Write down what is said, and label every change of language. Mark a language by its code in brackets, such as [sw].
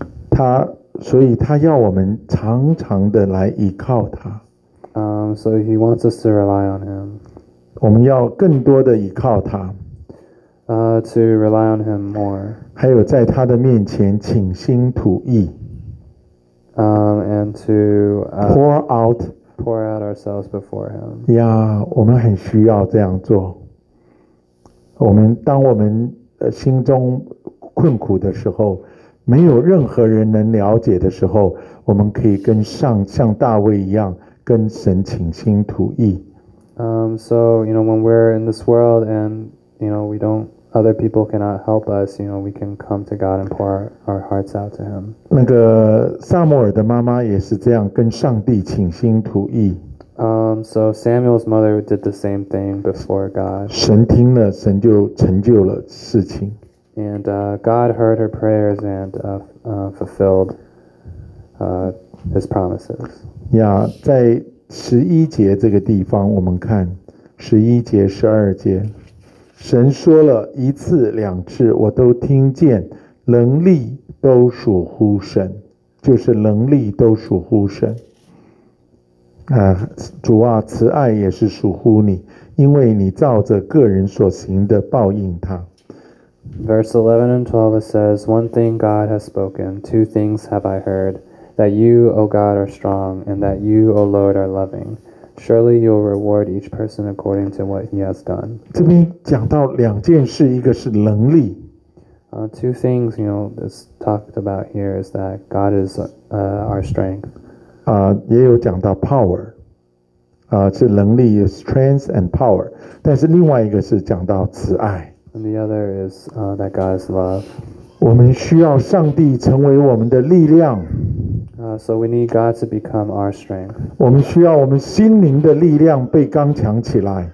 [zh] 他，所以他要我们常常的来依靠他。 [en] So he wants us to rely on him. [zh] 我们要更多的依靠他。 [en] To rely on him more. [zh] 还有在他的面前倾心吐意。 [en] And to pour out ourselves before him. [zh] Yeah, 我们很需要这样做。我们当我们心中困苦的时候，没有任何人能了解的时候，我们可以跟上像大卫一样跟神倾心吐意。 [en] So you know, when we're in this world and you know other people cannot help us, you know, we can come to God and pour our hearts out to Him. [zh] 那个撒母耳的妈妈也是这样跟上帝倾心吐意。 [en] So Samuel's mother did the same thing before God. [zh] 神听了，神就成就了事情。 [en] And God heard her prayers and fulfilled His promises. [zh] Yeah, 在十一节这个地方，我们看十一节、十二节。神说了一次两次我都听见，能力都属乎神，就是能力都属乎神。主啊，慈爱也是属乎你，因为你照着个人所行的报应他。 [en] Verse 11 and 12 says, One thing God has spoken, two things have I heard, that you, O God, are strong, and that you, O Lord, are loving. Surely you will reward each person according to what he has done. [zh] 这边讲到两件事，一个是能力。 [en] Two things, you know, that's talked about here is that God is our strength. [zh] 也有讲到 power. 是能力 [en] is strength and power. [zh] 但是另外一个是讲到慈爱。 [en] And the other is that God is love. [zh] 我们需要上帝成为我们的力量。 [en] So we need God to become our strength. [zh] 我们需要我们心灵的力量被刚强起来。